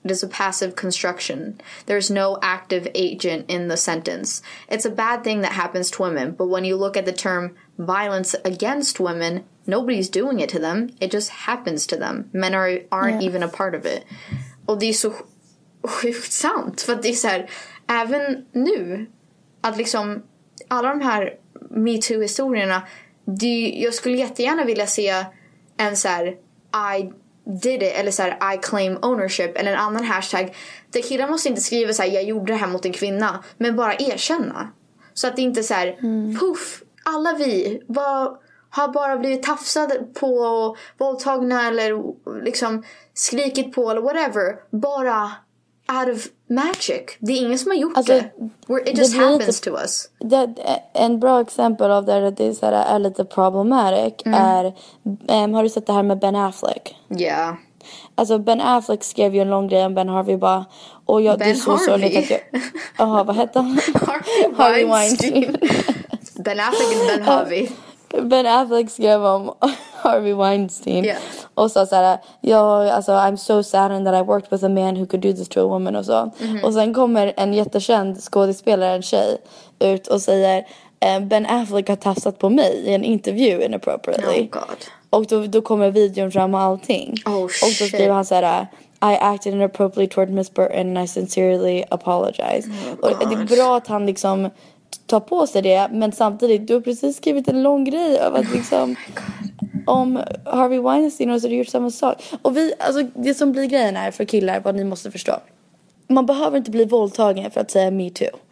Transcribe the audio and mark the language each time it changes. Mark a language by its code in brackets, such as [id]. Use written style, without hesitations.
[en] It is a passive construction. There's no active agent in the sentence. It's a bad thing that happens to women, but when you look at the term violence against women, nobody's doing it to them. It just happens to them. Men aren't even a part of it. [sv] Och det är så sjukt sant. För att det är så här, även nu, att liksom alla de här Me Too-historierna, jag skulle jättegärna vilja se en så här, [en] I did it, [sv] eller så här, [en] I claim ownership, [sv] eller en annan hashtag. Det killar måste inte skriva så här, jag gjorde det här mot en kvinna, men bara erkänna. Så att det inte så här, puff, alla vi har bara blivit tafsade på och våldtagna eller liksom skrikit på eller whatever, bara [en] out of magic. [sv] Det är ingen som har gjort alltså, det. [en] It just happens to us. [sv] En bra exempel av det att det är, så här, är lite problematic är, har du sett det här med Ben Affleck? Ja. [en] Yeah. [sv] Alltså Ben Affleck skrev ju en lång grej om Ben Harvey bara, och jag, Ben det är så Harvey? Att jag, aha, vad hette han? Harvey Weinstein. Ben Affleck och Ben Harvey. Ben Affleck skrev om Harvey Weinstein. [en] Yeah. [sv] Och så sa han, [en] I'm so saddened that I worked with a man who could do this to a woman [sv] och så. Mm-hmm. Och sen kommer en jättekänd skådespelare, en tjej, ut och säger, Ben Affleck har tafsat på mig i en intervju inappropriately. [en] Oh god. [sv] Och då kommer videon fram och allting. Oh, och så skriver han så här, [en] I acted inappropriately toward Miss Burton and I sincerely apologize. [sv] Oh, och det är bra att han liksom tar på sig det, men samtidigt du har precis skrivit en lång grej av att liksom om Harvey Weinstein och så har du gjort samma sak. Och vi, alltså det som blir grejen här för killar, vad ni måste förstå. Man behöver inte bli våldtagen för att säga me too.